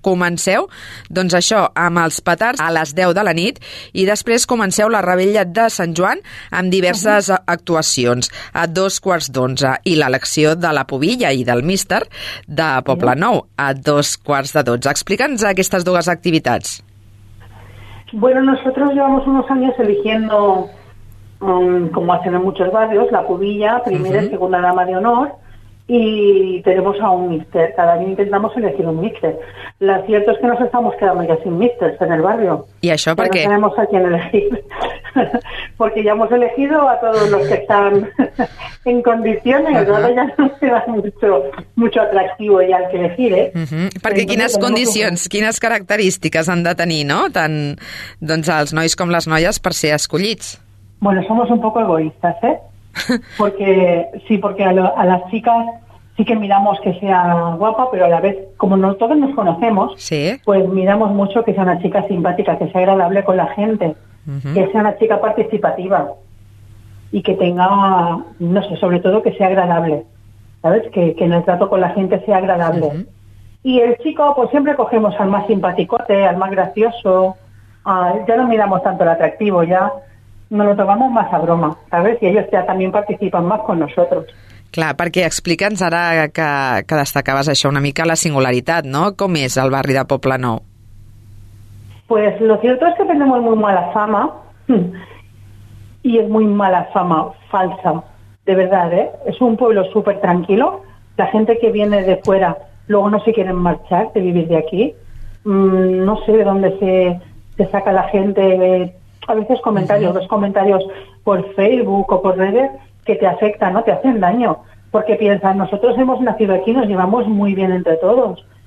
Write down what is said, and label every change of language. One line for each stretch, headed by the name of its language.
Catalan: Comenceu, doncs això, amb els petards a les 10 de la nit i després comenceu la revetlla de Sant Joan amb diverses actuacions a 11:15 i l'elecció de la pubilla i del míster de Poblenou a 11:45. Explica'ns aquestes dues activitats.
Spanish: Bueno, nosotros llevamos unos años eligiendo, como hacen en muchos barrios, la pubilla, primera y segunda dama de honor, y tenemos a un míster. Cada año intentamos elegir un míster. Lo cierto es que nos estamos quedando ya sin místers en el barrio. ¿Y eso por qué? No tenemos a quién elegir. Porque ya hemos elegido a todos los que están en condiciones, ¿no? Ya no queda mucho atractivo ya el que elegir, ¿eh?
Catalan: Perquè quines condicions, quines característiques han de tenir, ¿no?, tant doncs, els nois com les noies per ser escollits.
Spanish: Bueno, somos un poco egoístas, ¿eh? Porque, sí, porque a las chicas sí que miramos que sea guapa, pero a la vez, como no todos nos conocemos, sí, pues miramos mucho que sea una chica simpática, que sea agradable con la gente, uh-huh, que sea una chica participativa y que tenga, no sé, sobre todo que sea agradable, ¿sabes? Que en el trato con la gente sea agradable. Uh-huh. Y el chico, pues siempre cogemos al más simpaticote, al más gracioso, ya no miramos tanto el atractivo, ya no lo tomamos más a broma, ¿sabes? Y ellos ya también participan más con nosotros.
Catalan: Clar, perquè explica'ns ara que destacaves això una mica, la singularitat, no? Com és el barri de Poblenou?
Spanish: Pues lo cierto es que tenemos muy mala fama, y es muy mala fama, falsa, de verdad, ¿eh? Es un pueblo súper tranquilo, la gente que viene de fuera luego no se quieren marchar de vivir de aquí, no sé de dónde se saca la gente, a veces comentarios, uh-huh, los comentarios por Facebook o por redes, que te afecta, ¿no? Te hacen daño, porque piensan, nosotros hemos nacido aquí, nos llevamos muy bien entre todos.